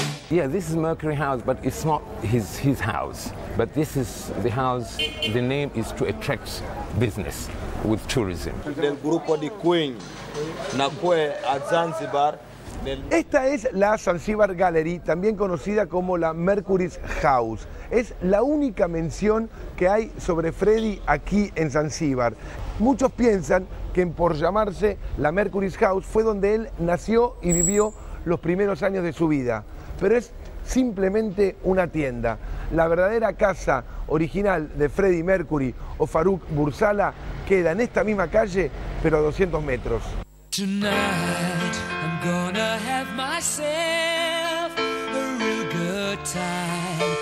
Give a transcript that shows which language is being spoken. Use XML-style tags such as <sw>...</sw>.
<en>Yeah, this is Mercury House, but it's not his house. But this is the house, the name is to attract business with tourism.</en> <es>Del grupo de QEN, nacue a Zanzibar. Esta es la Zanzibar Gallery, también conocida como la Mercury's House. Es la única mención que hay sobre Freddie aquí en Zanzibar. Muchos piensan que por llamarse la Mercury's House fue donde él nació y vivió los primeros años de su vida. Pero es simplemente una tienda. La verdadera casa original de Freddie Mercury o Farouk Bursala queda en esta misma calle, pero a 200 metros.</es> <en>Tonight I'm gonna have myself a real good time.</en>